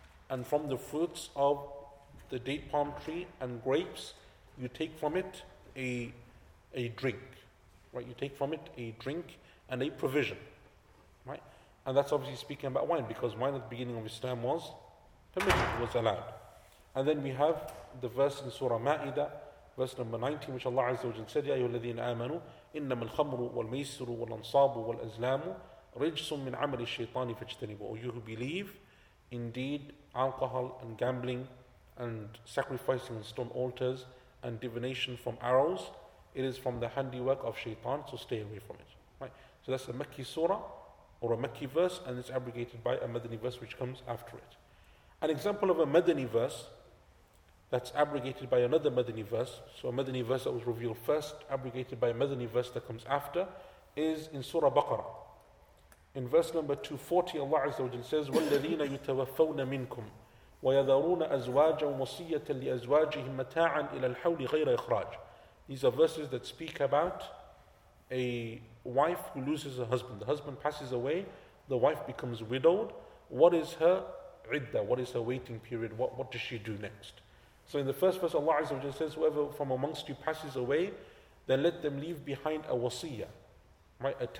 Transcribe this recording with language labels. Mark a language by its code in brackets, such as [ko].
[en] And from the fruits of the date palm tree and grapes, you take from it a drink. Right? You take from it a drink and a provision. Right? And that's obviously speaking about wine, because wine at the beginning of Islam was permitted, was allowed. And then we have the verse in Surah Ma'idah, verse number 90, which Allah Azza wa Jalla said, [ar] يَا أَيُّهَا الَّذِينَ آمَنُوا إِنَّمَا الْخَمْرُ وَالْمَيْسِرُ وَالْأَنْصَابُ وَالْأَزْلَامُ رِجْسٌ مِّنْ عَمَلِ الشَّيْطَانِ فَاجْتَنِبُوا. [en] O you who believe, indeed, alcohol and gambling and sacrificing on stone altars and divination from arrows, it is from the handiwork of shaitan, so stay away from it. Right? So that's a Makki surah or a Makki verse, and it's abrogated by a Madani verse which comes after it. An example of a Madani verse that's abrogated by another Madani verse, so a Madani verse that was revealed first, abrogated by a Madani verse that comes after, is in Surah Baqarah. In verse number 240, Allah Azza wa Jalla says, [ar] وَالَّذِينَ يُتَوَفَّوْنَ مِنْكُمْ وَيَذَرُونَ أَزْوَاجًا وَصِيَّةً لِأَزْوَاجِهِمْ مَتَاعًا إِلَى الْحَوْلِ غَيْرَ إِخْرَاجٍ. [en] These are verses that speak about a wife who loses her husband. The husband passes away, the wife becomes widowed. What is her iddah? What is her waiting period? What does she do next? So in the first verse, Allah Azza wa Jalla says, whoever from amongst you passes away, then let them leave behind a wasiyah, right?